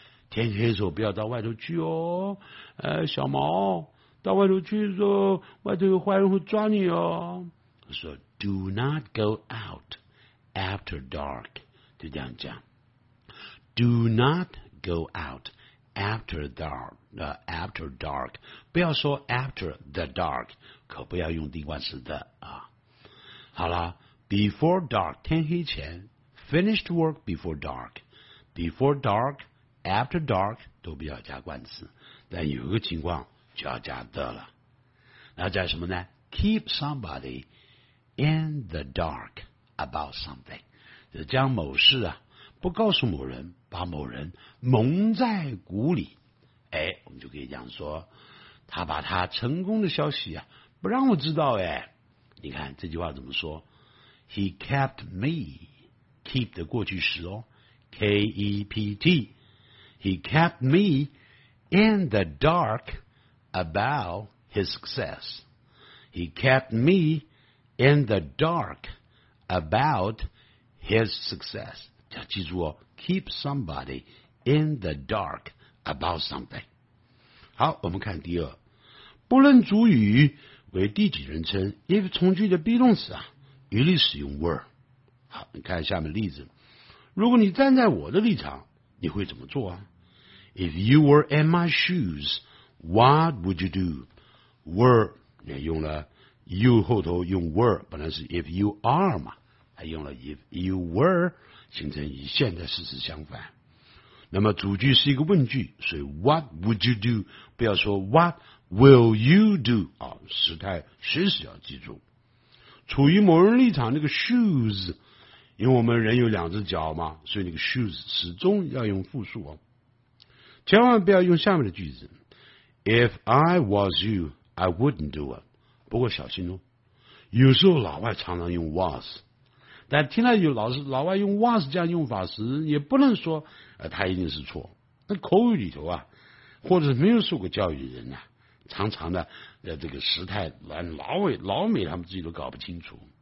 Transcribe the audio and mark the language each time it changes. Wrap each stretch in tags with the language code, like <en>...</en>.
<zh>天黑的时候不要到外头去哦，小毛。到外头去的时候，外头有坏人会抓你哦。他说</zh> <en>：“Do not go out after dark。”</en> <zh>就这样讲</zh> <en>：“Do not go out after dark。 After dark，</en> <zh>不要说</zh> <en>after the dark，</en> <zh>可不要用定冠词的啊。好了</zh> <en>，before dark，</en> <zh>天黑前</zh> <en>，finished work before dark， before dark， after dark</en> <zh>都不要加冠词。但有一个情况。就要加的了，那叫什么呢 ？</zh> <en>Keep somebody in the dark about something，</en> <zh>就将某事啊不告诉某人，把某人蒙在鼓里。哎，我们就可以讲说，他把他成功的消息啊不让我知道。</zh> <en>哎，你看这句话怎么说 ？He kept me keep</en> <zh>的过去时哦</zh> <en>，K E P T， he kept me in the dark。 About his success. He kept me in the dark about his success.</en> <zh>要记住哦</zh> <en>,keep somebody in the dark about something.</en> <zh>好，我们看第二。不论主语为第几人称 ,if 从句的 be 动词啊一律使用 were。好，你看下面例子。如果你站在我的立场你会怎么做啊 ?</zh> <en>If you were in my shoes,What would you do?</en> <zh>Were 也用了 you 后头用 were 本来是</zh> <en>if you are</en> <zh>嘛，还用了</zh> <en>if you were</en> <zh>形成与现在事实相反。那么主句是一个问句，所以</zh> <en>What would you do?</en> <zh>不要说 What</zh> <en>will you do</en> <zh>啊，时态时时要记住。处于某人立场，那个 shoes， 因为我们人有两只脚嘛，所以那个 shoes 始终要用复数哦。千万不要用下面的句子 ，</zh> <en>If I was you, I wouldn't do it。</en> <zh>不过小心哦，有时候老外常常用 was， 但听到有老外用 was 这样用法时，也不能说他一定是错。那口语里头啊，或者是没有受过教育的人呢、啊，常常的这个时态，老美他们自己都搞不清楚。</zh>